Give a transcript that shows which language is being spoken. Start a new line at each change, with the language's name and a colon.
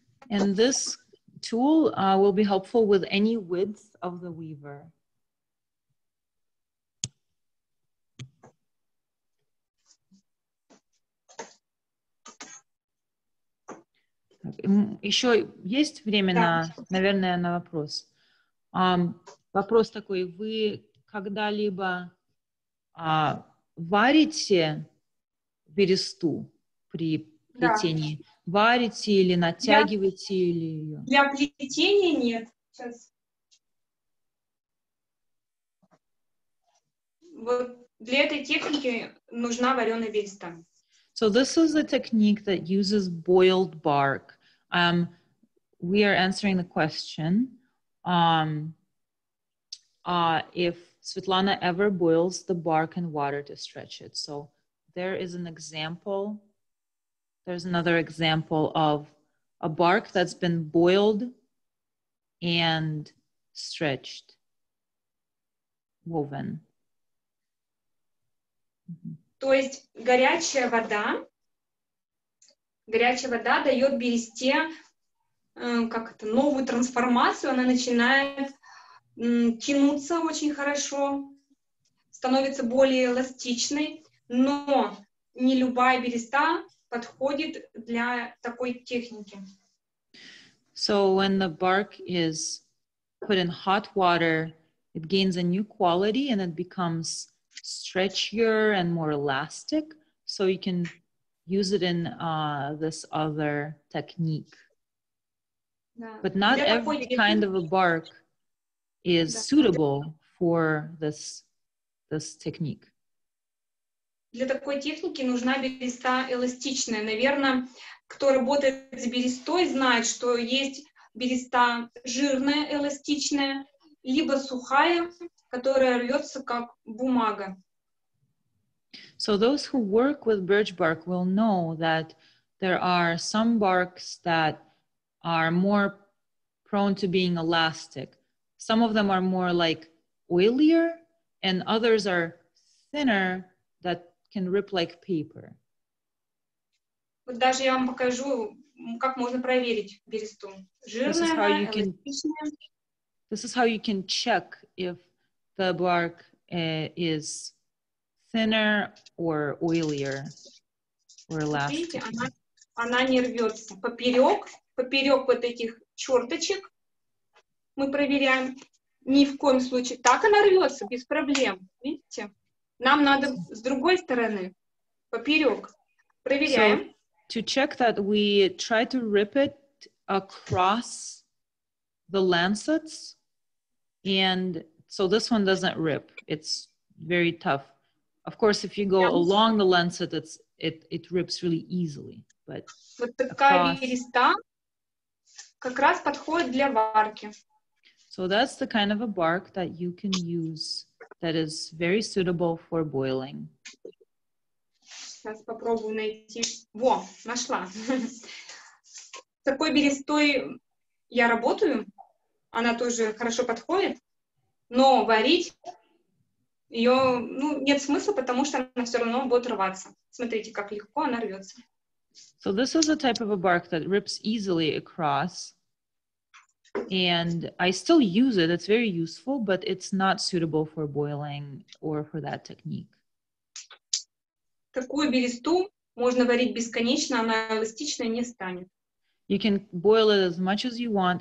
English: And this tool will be helpful with any width of the weaver.
Russian: Еще есть время наверное, на вопрос? Вопрос такой, вы когда-либо варите бересту при плетении? Да. Варите или натягиваете или ее? Для плетения нет. Сейчас. Вот для этой техники нужна вареная береста.
English: So this is a technique that uses boiled bark. We are answering the question, if Svetlana ever boils the bark in water to stretch it. So there is an example, there's another example of a bark that's been boiled and stretched, woven.
Russian: То есть горячая вода дает бересте, как это, новую трансформацию, она начинает тянуться очень хорошо, становится более эластичной, но не любая береста подходит для такой техники.
English: So when the bark is put in hot water, it gains a new quality and it becomes stretchier and more elastic, so you can use it in this other technique.
Russian: Да.
English: But not every kind of a bark is suitable for this technique.
Russian: Для такой техники нужна береста эластичная. Наверное, кто работает с берестой, знает, что есть береста жирная, эластичная, либо сухая, которая рвется как бумага.
English: So those who work with birch bark will know that there are some barks that are more prone to being elastic. Some of them are more like oilier, and others are thinner that can rip like paper.
Russian: Вот даже я вам покажу, как можно проверить бересту. Жирная, эластичная.
English: This is how you can check if the bark is thinner or oilier or elastic.
Russian: Видите, она не рвется. Поперек вот этих черточек мы проверяем. Ни в коем случае. Так она рвется, без проблем. Видите? Нам надо с другой стороны, поперек. Проверяем.
English: So, to check that, we try to rip it across the lancets. And so this one doesn't rip. It's very tough. Of course, if you go along the lancet, it rips really easily. But
Russian: вот такая береста как раз подходит для варки.
English: So that's the kind of a bark that you can use that is very suitable for boiling.
Russian: Сейчас попробую найти. Во, нашла. С такой берестой я работаю. Она тоже хорошо подходит. Но варить ее, ну, нет смысла, потому что она все равно будет рваться. Смотрите, как легко она рвется.
English: So this is a type of a bark that rips easily across. And I still use it. It's very useful, but it's not suitable for boiling or for that technique.
Russian: Такую бересту можно варить бесконечно, она эластичной не станет.
English: You can boil it as much as you want.